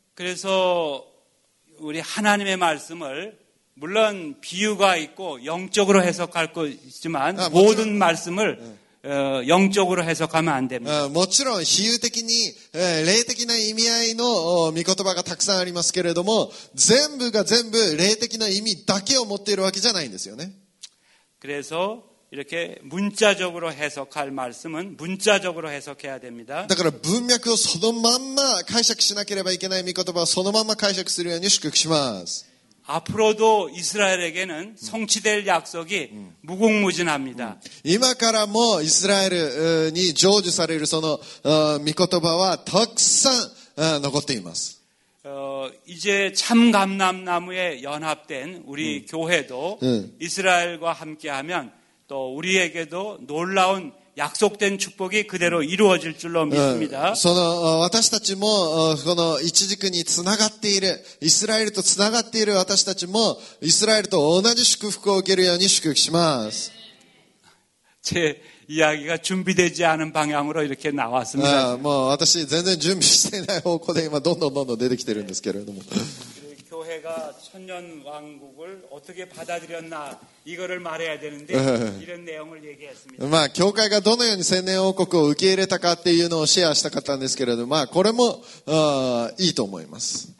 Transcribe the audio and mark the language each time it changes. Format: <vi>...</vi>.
<ko>그래서、우리하나님의말씀을물론비유가있고영적으로해석할것이지만모든말씀을영적으로해석하면안됩니다</ko> <ja>もちろん比喩的に霊的な意味合いの御言葉がたくさんありますけれども全部が全部霊的な意味だけを持っているわけじゃないんですよね</ja> <ko>그래서이렇게문자적으로해석할말씀은문자적으로해석해야됩니다</ko> <ja>だから文脈をそのまんま解釈しなければいけない御言葉をそのまんま解釈するように祝福します</ja> <ko>앞으로도이스라엘에게는성취될약속이무궁무진합니다</ko> <ja>今からもイスラエルに成就されるその御言葉はたくさん残っています</ja> <ko>이제참감람나무에연합된우리교회도이스라엘과함께하면또우리에게도놀라운약속된축복이그대로이루어질줄로믿습니다</ko> <ja>その私たちもこの一軸につながっているイスラエルとつながっている私たちもイスラエルと同じ祝福を受けるように祝福します</ja> <ko>제이야기가준비되지않은방향으로이렇게나왔습니다</ko> <ja>もう私全然準備していない方向で今どんどんどんどん出てきてるんですけれども</ja> <ko>교회가천년왕국을어떻게받아들였나이거를말해야되는데이런내용을얘기했습니다</ko> <ja>まあ教会がどのように千年王国を受け入れたかっていうのをシェアしたかったんですけれどまあこれもいいと思います</ja>